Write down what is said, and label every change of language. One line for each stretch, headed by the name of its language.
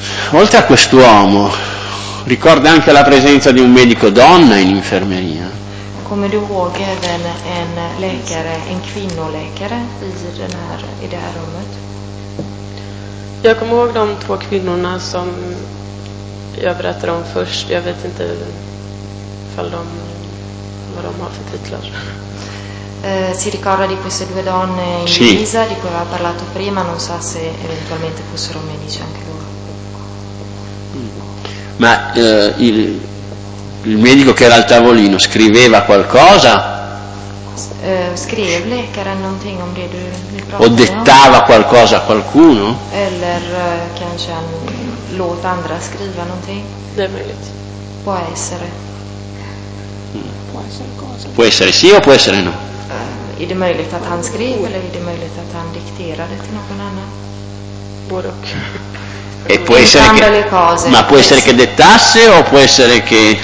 Italian: Oltre a quest'uomo, ricorda anche la presenza di un medico donna in infermeria?
Swedish: Kommer du ihåg även en läkare, en kvinnoläkare i det här rummet? Jag kommer ihåg de två kvinnorna som jag berättade om först. Jag vet inte vad de har för titlar.
Italian: Si ricorda di queste due donne in divisa di cui aveva parlato prima, non so se eventualmente fossero medici anche loro. Ma il medico che era al tavolino scriveva qualcosa?
Swedish: Scrive läkaren någonting om det du pratade
Italian: om? O dettava qualcosa a qualcuno?
Swedish: Eller kanske han låt andra skriva någonting? Det är möjligt.
Italian: Può essere. Può essere sì o può essere no?
Swedish: Är det möjligt att han skrev eller är det möjligt att han dikterade till någon annan? Både och.
Italian: E può essere che, cose, ma può essere che dettasse o può essere che